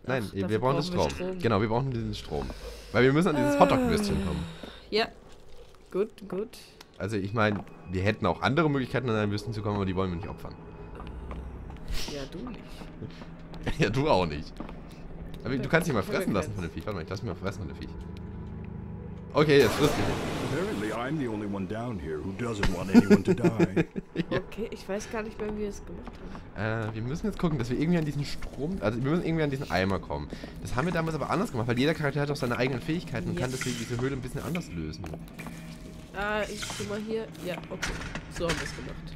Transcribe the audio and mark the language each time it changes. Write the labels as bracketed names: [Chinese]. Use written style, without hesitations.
[German] Nein, ach, wir brauchen den Strom. Genau, wir brauchen den Strom. Weil wir müssen an dieses Hotdog-Würstchen kommen. Ja. Gut, gut. Also ich meine, wir hätten auch andere Möglichkeiten an einem Wüsten zu kommen, aber die wollen wir nicht opfern. Ja, du nicht. Ja, du auch nicht. Aber du kannst dich mal fressen lassen von dem Viech. Warte mal, ich lass mich mal fressen von dem Viech. Okay, jetzt frisst dich. [English] Apparently I'm the only one down here who doesn't want anyone to die. [German] Okay, ich weiß gar nicht mehr, wie wir es gemacht haben. Wir müssen jetzt gucken, dass wir irgendwie an diesen Strom, also wir müssen irgendwie an diesen Eimer kommen. Das haben wir damals aber anders gemacht, weil jeder Charakter hat auch seine eigenen Fähigkeiten und kann deswegen diese Höhle ein bisschen anders lösen. Ich schau mal hier. Ja, okay. So haben wir es gemacht.